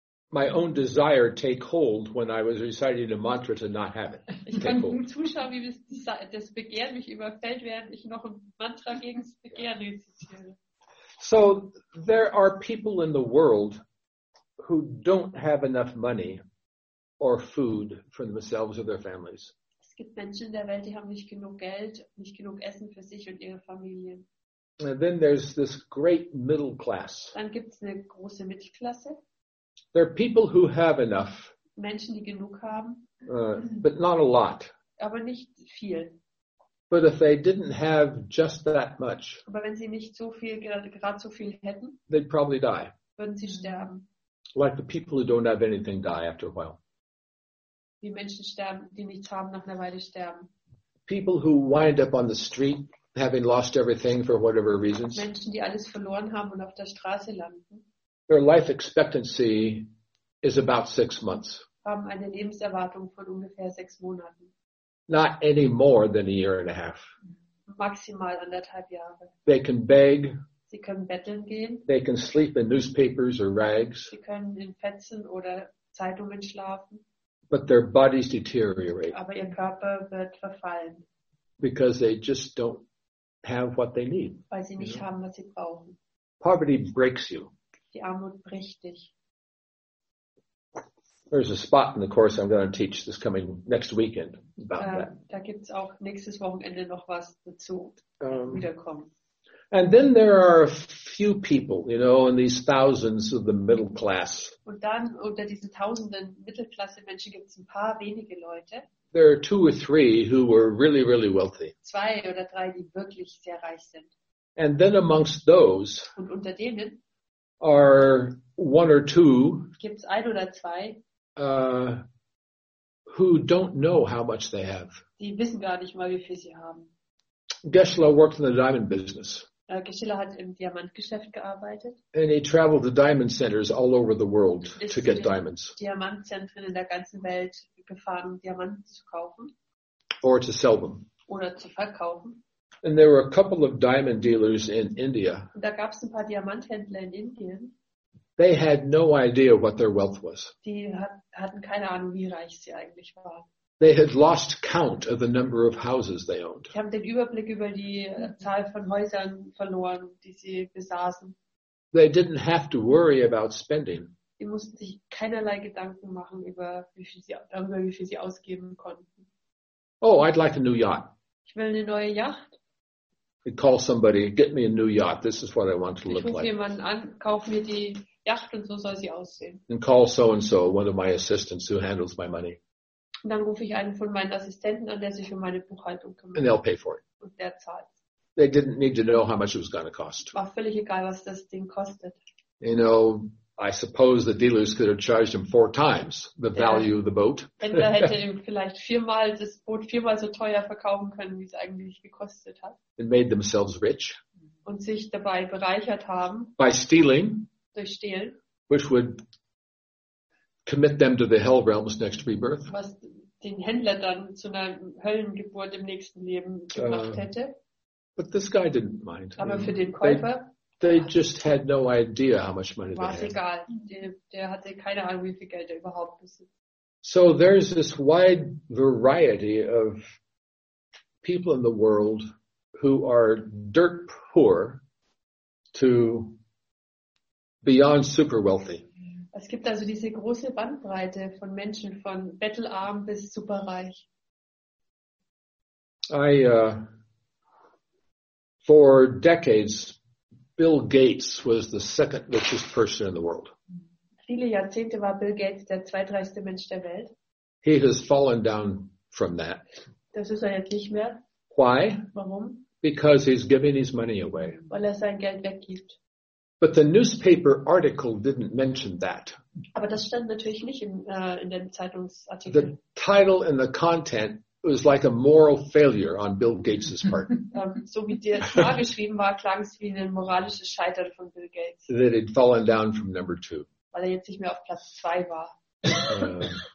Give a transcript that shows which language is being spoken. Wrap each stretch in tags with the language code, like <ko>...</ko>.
<en>My own desire take hold when I was reciting a mantra to not have it.</en> <de>Ich kann gut zuschauen, wie das Begehren mich überfällt, während ich noch ein Mantra gegen das Begehren rezitiere.</de> <en>So there are people in the world who don't have enough money or food for themselves or their families.</en> <de>Es gibt Menschen in der Welt, die haben nicht genug Geld, nicht genug Essen für sich und ihre Familien.</de> <en>And then there's this great middle class.</en> <de>Dann gibt's eine große Mittelklasse.</de> <en>There are people who have enough.</en> <de>Menschen, die genug haben.</de> <en>But not a lot.</en> <de>Aber nicht viel.</de> <en>But if they didn't have just that much.</en> <de>Aber wenn sie nicht so viel, gerade so viel hätten.</de> <en>They'd probably die.</en> <de>Würden sie sterben.</de> <en>Like the people who don't have anything die after a while.</en> <de>Die Menschen sterben, die nichts haben, nach einer Weile sterben.</de> <en>People who wind up on the street having lost everything for whatever reasons.</en> <de>Menschen, die alles verloren haben und auf der Straße landen.</de> <en>Their life expectancy is about 6 months.</en> <de>Haben eine Lebenserwartung von ungefähr 6 Monaten.</de> <en>Not any more than a year and a half.</en> <de>Maximal anderthalb Jahre.</de> <en>They can beg.</en> <de>Sie können betteln gehen.</de> <en>They can sleep in newspapers or rags.</en> <de>Sie können in Fetzen oder Zeitungen schlafen.</de> <en>But their bodies deteriorate.</en> <de>Aber ihr Körper wird verfallen.</de> <en>Because they just don't have what they need.</en> <de>Weil sie nicht haben, was sie brauchen.</de> <en>Poverty breaks you.</en> <de>Die Armut bricht dich.</de> <en>There's a spot in the course I'm going to teach this coming next weekend about that.</en> <de>Da gibt's auch nächstes Wochenende noch was dazu wiederkommen.</de> <en>And then there are a few people, in these thousands of the middle class.</en> <de>Und dann unter diesen tausenden Mittelklasse-Menschen gibt's ein paar wenige Leute.</de> <en>There are two or three who were really, really wealthy.</en> <de>Zwei oder drei, die wirklich sehr reich sind.</de> <en>And then amongst those.</en> <de>Und unter denen.</de> <en>are one or two.</en> <de>Gibt's ein oder zwei?</de> <en>Who don't know how much they have.</en> <de>Die wissen gar nicht mal, wie viel sie haben.</de> <en>Geschler worked in the diamond business.</en> <de>Geschler hat im Diamantgeschäft gearbeitet.</de> <en>And he traveled to diamond centers all over the world to get diamonds.</en> <de>Diamantzentren in der ganzen Welt gefahren, um Diamanten zu kaufen.</de> <en>Or to sell them.</en> <de>Oder zu verkaufen.</de> <en>And there were a couple of diamond dealers in India.</en> <de>Da gab's ein paar Diamanthändler in Indien.</de> <en>They had no idea what their wealth was.</en> <de>Die hatten keine Ahnung, wie reich sie eigentlich waren.</de> <en>They had lost count of the number of houses they owned.</en> <de>Die haben den Überblick über die Zahl von Häusern verloren, die sie besaßen.</de> <en>They didn't have to worry about spending.</en> <de>Die mussten sich keinerlei Gedanken machen über, wie viel sie ausgeben konnten.</de> <en>Oh, I'd like a new yacht.</en> <de>Ich will eine neue Yacht.</de> <en>They call somebody, get me a new yacht. This is what I want to look like.</en> <de>Ich rufe jemanden an, kauf mir die Yacht und so soll sie aussehen.</de> <en>And call so-and-so, one of my assistants who handles my money.</en> <de>Und dann rufe ich einen von meinen Assistenten an, der sich um meine Buchhaltung kümmert.</de> <en>And they'll pay for it.</en> <de>Und der zahlt.</de> <en>They didn't need to know how much it was going to cost.</en> <de>War völlig egal, was das Ding kostet.</de> <en>You know, I suppose the dealers could have charged him four times the value of the boat.</en> <de>Händler hätte ihm vielleicht viermal das Boot viermal so teuer verkaufen können, wie es eigentlich gekostet hat.</de> <en>And made themselves rich.</en> <de>Und sich dabei bereichert haben.</de> <en>By stealing.</en> <de>Durch Stehlen.</de> <en>Which would commit them to the hell realms next rebirth.</en> <de>Was den Händler dann zu einer Höllengeburt im nächsten Leben gemacht hätte.</de> <en>But this guy didn't mind.</en> <de>Aber für den Käufer.</de> <en>They just had no idea how much money they had.</en> <de>War's egal. Der hatte keine Ahnung, wie viel Geld er überhaupt besitzt.</de> <en>So there's this wide variety of people in the world who are dirt poor to beyond super wealthy.</en> <de>Es gibt also diese große Bandbreite von Menschen von bettelarm bis superreich.</de> <en>For decades, Bill Gates was the second richest person in the world.</en> <de>Viele Jahrzehnte war Bill Gates der zweitreichste Mensch der Welt.</de> <en>He has fallen down from that.</en> <de>Das ist er jetzt nicht mehr.</de> <en>Why?</en> <de>Warum?</de> <en>Because he's giving his money away.</en> <de>Weil er sein Geld weggibt.</de> <en>But the newspaper article didn't mention that.</en> <de>Aber das stand natürlich nicht in dem Zeitungsartikel.</de> <en>The title and the content was like a moral failure on Bill Gates' part.</en> <de>So wie der Titel geschrieben war, klang es wie ein moralisches Scheitern von Bill Gates.</de> <en>That he'd fallen down from number two.</en> <de>Weil er jetzt nicht mehr auf Platz zwei war.</de>